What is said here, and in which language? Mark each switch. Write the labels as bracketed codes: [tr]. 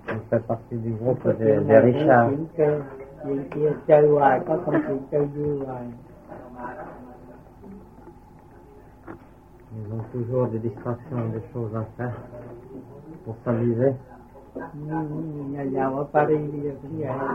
[fr] Fait partie du groupe des riches. [vi] Những kia chơi hoài, có công chuyện chơi vui hoài. [fr] Ils ont toujours des distractions, des choses à faire pour s'amuser. [vi] Nhà giàu ở Paris bây giờ cũng vậy.